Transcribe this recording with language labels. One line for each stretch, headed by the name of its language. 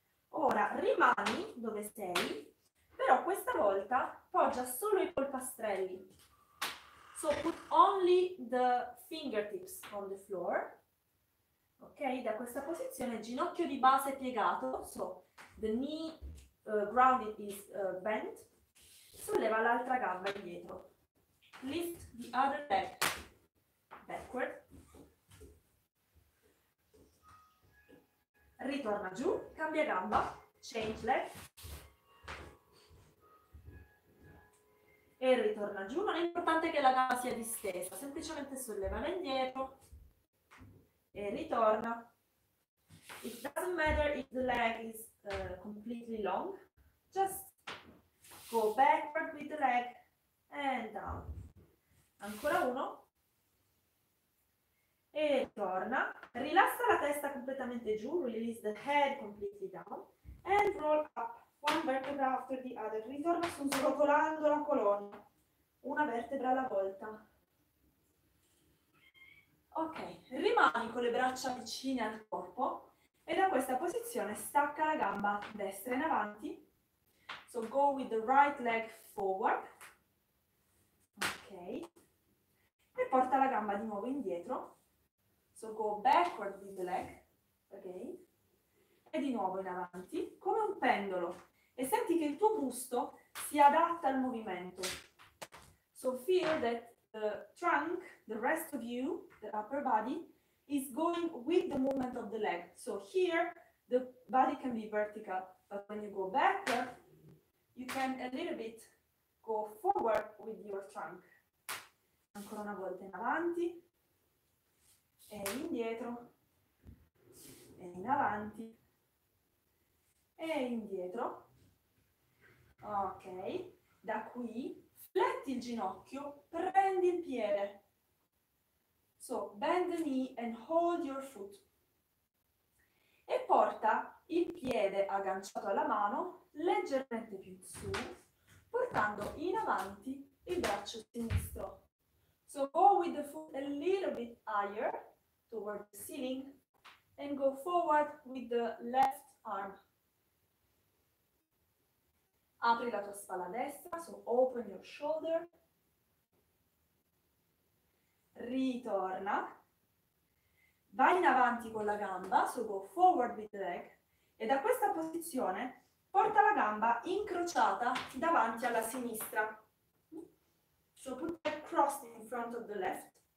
Italian: Ora rimani dove sei, però questa volta poggia solo i polpastrelli.
English: So put only the fingertips on the floor.
Italian: Ok, da questa posizione ginocchio di base piegato,
English: so the knee grounded is bent.
Italian: Solleva l'altra gamba indietro.
English: Lift the other leg backward.
Italian: Ritorna giù, cambia gamba,
English: change leg.
Italian: E ritorna giù, non è importante che la gamba sia distesa, semplicemente sollevala indietro. E ritorna.
English: It doesn't matter if the leg is completely long. Just go backward with the leg and down.
Italian: Ancora uno. E torna. Rilassa la testa completamente giù.
English: Release the head completely down. And roll up. One vertebra after the other.
Italian: Ritorna su, srotolando la colonna. Una vertebra alla volta. Ok, rimani con le braccia vicine al corpo e da questa posizione stacca la gamba destra in avanti.
English: So go with the right leg forward. Ok,
Italian: e porta la gamba di nuovo indietro.
English: So go backward with the leg. Ok,
Italian: e di nuovo in avanti, come un pendolo. E senti che il tuo busto si adatta al movimento.
English: So feel that the trunk, the rest of you, the upper body, is going with the movement of the leg. So here the body can be vertical, but when you go backward, you can a little bit go forward with your trunk.
Italian: Ancora una volta in avanti e indietro e in avanti e indietro. Ok, da qui fletti il ginocchio, prendi il piede.
English: So, bend the knee and hold your foot.
Italian: E porta il piede agganciato alla mano leggermente più in su, portando in avanti il braccio sinistro.
English: So, go with the foot a little bit higher toward the ceiling and go forward with the left arm.
Italian: Apri la tua spalla destra,
English: so open your shoulder.
Italian: Ritorna. Vai in avanti con la gamba,
English: so go forward with the leg.
Italian: E da questa posizione porta la gamba incrociata davanti alla sinistra.
English: So put it crossed in front of the left.